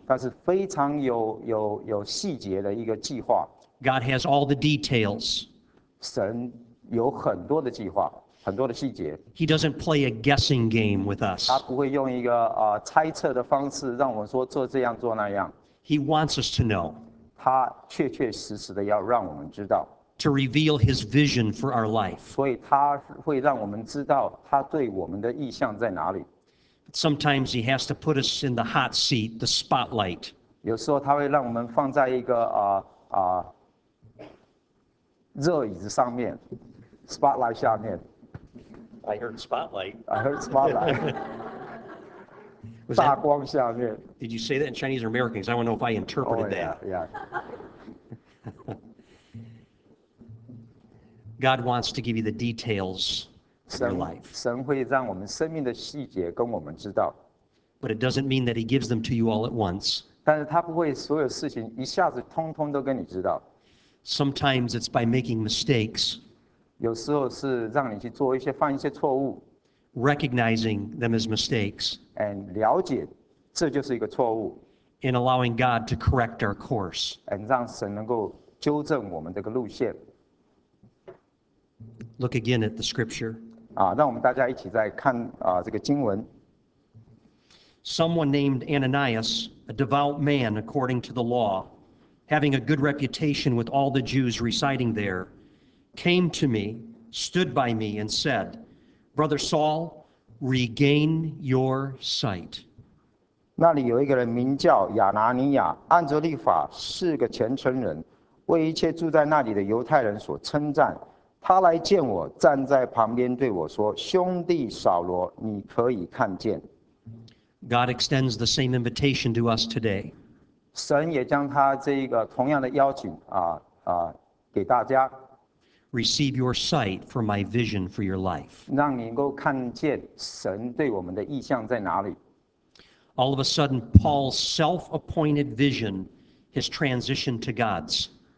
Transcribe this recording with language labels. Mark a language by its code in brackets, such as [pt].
[zh] 它是非常有细节的一个计划。 [en] God has all the details. [zh] 神有很多的计划，很多的细节。 [en] He doesn't play a guessing game with us. [zh] 他不会用一个猜测的方式让我们说做这样做那样。 [en] He wants us to know. [zh] 他确确实实的要让我们知道。 [en] To reveal his vision for our life. [zh] 所以他会让我们知道他对我们的意向在哪里。 [en] Sometimes he has to put us in the hot seat, the spotlight. [zh] 有时候他会让我们放在一个热椅子上面 ，spotlight 下面。 [en] I heard spotlight. I heard spotlight. [zh] 大光下面。 [en] Did you say that in Chinese or American? Because I want to know if I interpreted that. Yeah. God wants to give you the details of your life. [zh] 神会让我们生命的细节跟我们知道。 [en] But it doesn't mean that he gives them to you all at once. [zh] 但是他不会所有事情一下子通通都跟你知道。 [en] Sometimes it's by making mistakes. [zh] 有时候是让你去做一些犯一些错误。 [en] Recognizing them as mistakes. [zh] And 了解这就是一个错误。 [en] In allowing God to correct our course. [zh] And 让神能够纠正我们这个路线。 [en] Look again at the scripture. [zh] 让我们大家一起再看这个经文。 [en] Someone named Ananias, a devout man according to the law, having a good reputation with all the Jews residing there, came to me, stood by me, and said, Brother Saul, regain your sight. [zh] 那里有一个人名叫亚拿尼亚，按着律法是个虔诚人，为一切住在那里的犹太人所称赞。他来见我，站在旁边对我说：“兄弟扫罗，你可以看见。” [en] God extends the same invitation to us today. [zh] 神也将他这个同样的邀请给大家。 [en] Receive your sight for my vision for your life. [zh] 让你能够看见神对我们的意向在哪里。 [en] All of a sudden, Paul's self-appointed vision has transitioned to God's.